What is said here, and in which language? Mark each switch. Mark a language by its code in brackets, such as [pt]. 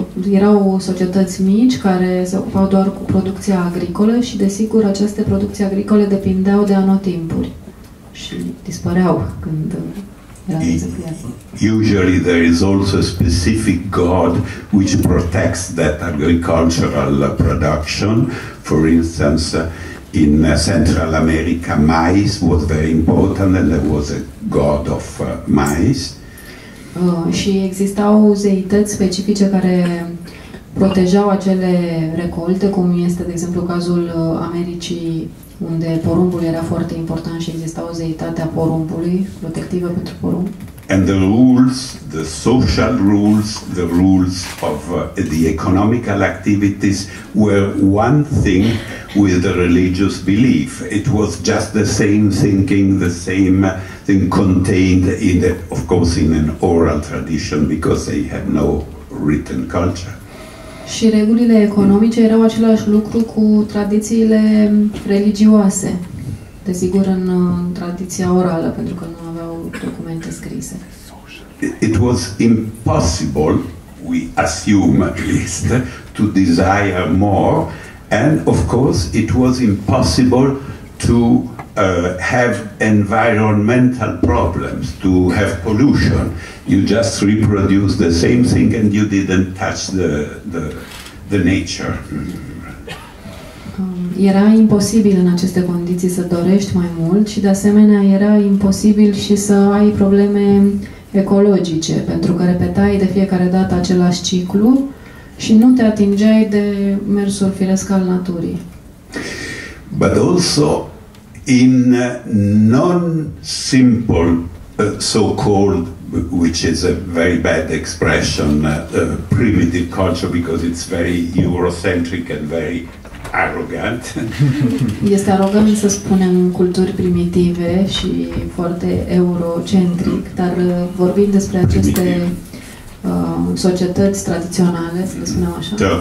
[ro] Erau societăți mici care se ocupau doar cu producția agricolă și, desigur, aceste producții agricole depindeau de anotimpuri și dispăreau când era zăpiață. [en] Usually there is also a specific god which protects that agricultural production. For instance, in Central America, maize was very important and there was a god of maize. [ro] Și existau zeități specifice care protejau acele recolte, cum este, de exemplu, cazul Americii, unde porumbul era foarte important și existau zeitatea porumbului, protectivă pentru porumb. [en] And the rules, the social rules, the rules of the economical activities were one thing with the religious belief. It was just the same thinking, the same thing contained in the, of course, in an oral tradition because they had no written culture. [ro] Și regulile economice erau același lucru cu tradițiile religioase. Desigur, în tradiția orală, pentru că nu aveau documente scrise. [en] It was impossible, we assume at least, to desire more, and of course it was impossible to have environmental problems, to have pollution. You just reproduce the same thing and you didn't touch the nature. [ro] Era imposibil în aceste condiții să dorești mai mult și de asemenea era imposibil și să ai probleme ecologice, pentru că repetai de fiecare dată același ciclu și nu te atingeai de mersul firesc al naturii. [en] But also in non-simple so-called, which is a very bad expression, primitive culture, because it's very Eurocentric and very arrogant. [ro] Este arogant să spunem culturi primitive și foarte eurocentric, dar vorbind despre aceste societăți tradiționale, să le spunem așa.